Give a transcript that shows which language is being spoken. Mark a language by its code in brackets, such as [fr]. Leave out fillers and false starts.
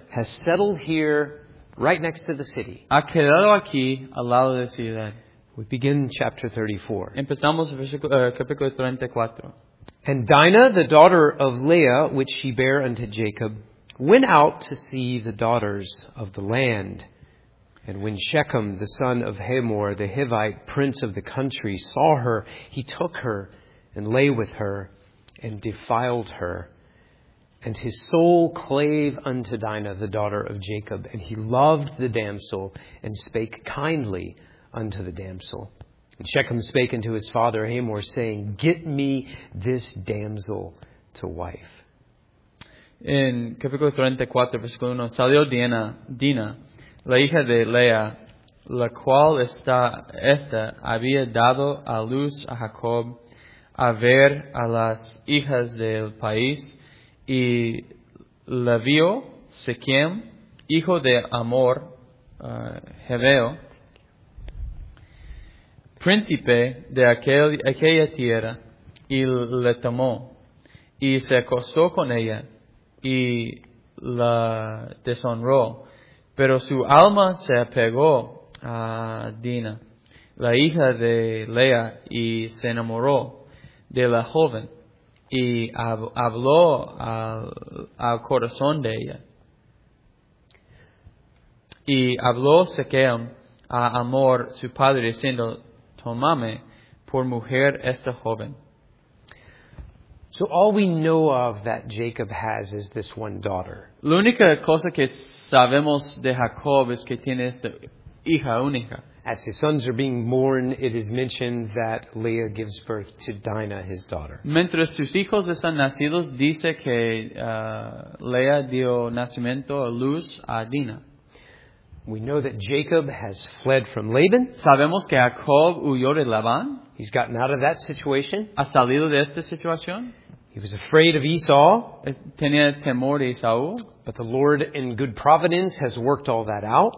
[en] has settled here right next to the city. [es] Ha quedado aquí al lado de la ciudad. [en] We begin chapter 34. [es] Empezamos capítulo 34. [en] And Dinah, the daughter of Leah, which she bare unto Jacob, went out to see the daughters of the land. And when Shechem, the son of Hamor, the Hivite, prince of the country, saw her, he took her and lay with her and defiled her. And his soul clave unto Dinah, the daughter of Jacob. And he loved the damsel and spake kindly unto the damsel. And Shechem spake unto his father Hamor, saying, get me this damsel to wife. [es] In capítulo 34, versículo 1, salió Dinah. La hija de Lea, la cual esta había dado a luz a Jacob a ver a las hijas del país, y la vio Shechem, hijo de Amor, Heveo, príncipe de aquella tierra, y le tomó, y se acostó con ella, y la deshonró. Pero su alma se apegó a Dina, la hija de Lea, y se enamoró de la joven, y habló al corazón de ella. Y habló Shechem a Amor, su padre, diciendo, tómame por mujer esta joven. [en] So all we know of that Jacob has is this one daughter. [es] La única cosa que sabemos de Jacob es que tiene esta hija única. [en] As his sons are being born, it is mentioned that Leah gives birth to Dinah, his daughter. [es] Mientras sus hijos están nacidos, dice que Leah dio nacimiento a luz a Dinah. [en] We know that Jacob has fled from Laban. [es] Sabemos que Jacob huyó de Labán. [en] He's gotten out of that situation. [es] Ha salido de esta situación. [en] He was afraid of Esau. [es] Tenía temor de Esau. [en] But the Lord, in good providence, has worked all that out.